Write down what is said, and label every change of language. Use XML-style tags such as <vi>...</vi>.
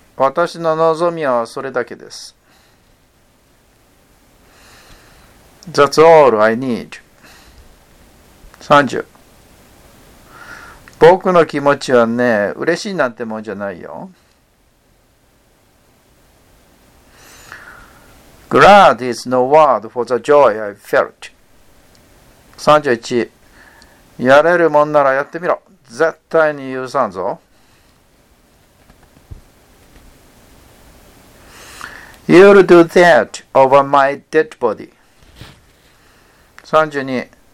<ja>私の望みはそれだけです。</ja> <en>That's all I need. 30.</en> <ja>僕の気持ちはね、嬉しいなんてもんじゃないよ。</ja> <en>Glad is no word for the joy I felt. 31.</en> <ja>やれるもんならやってみろ。絶対に許さんぞ。</ja> <en>You'll do that over my dead body. 32.</en>